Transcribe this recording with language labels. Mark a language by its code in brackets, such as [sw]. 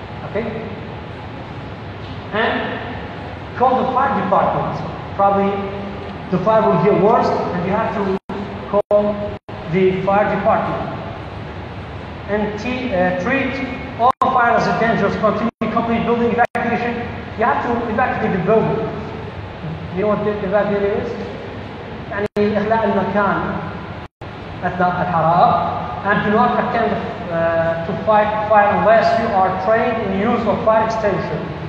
[en] Okay? And call the fire department. Probably the fire will get worse and you have to call the fire department. And treat all fire as a dangerous, complete building evacuation. You have to evacuate the building. You know what the evacuation is? [ar] يعني إخلاء المكان أثناء الحرارة. [en] And do not attempt to fight fire unless you are trained in use of fire extinguisher.